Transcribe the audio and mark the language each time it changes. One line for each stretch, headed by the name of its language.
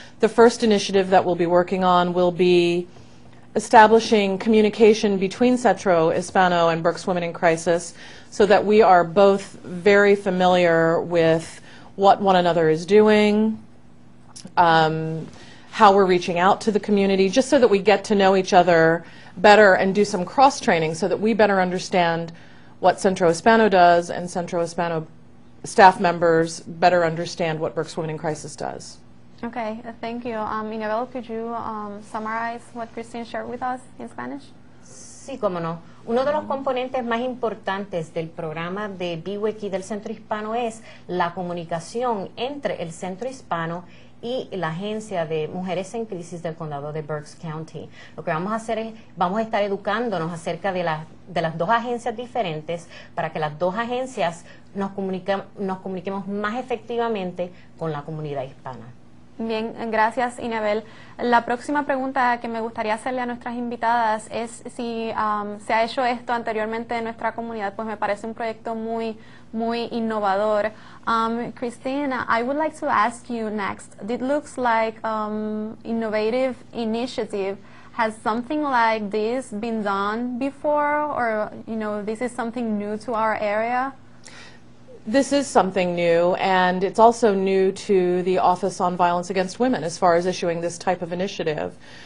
English: The first initiative that we'll be working on will be establishing communication between Centro Hispano and Berks Women in Crisis so that we are both very familiar with what one another is doing, how we're reaching out to the community, just so that we get to know each other better and do some cross-training so that we better understand what Centro Hispano does and Centro Hispano staff members better understand what Berks Women in Crisis does. Okay, thank you. Inabel, could you summarize what Christine shared with us in Spanish?
Spanish: Sí, cómo no. Uno de los componentes más importantes del programa de BWIC y del Centro Hispano es la comunicación entre el Centro Hispano y la Agencia de Mujeres en Crisis del Condado de Berks County. Lo que vamos a hacer es, vamos a estar educándonos acerca de las dos agencias diferentes para que las dos agencias nos comuniquemos más efectivamente con la comunidad hispana. Bien, gracias Inabel. La próxima pregunta que me gustaría hacerle a nuestras invitadas es si se ha hecho esto anteriormente en nuestra comunidad, pues me parece un proyecto muy, muy innovador.
English: Christine, I would like to ask you next. It looks like innovative initiative. Has something like this been done before, or, you know, this is something new to our area? This is something new, and it's also new to the Office on Violence Against Women as far as issuing this type of initiative.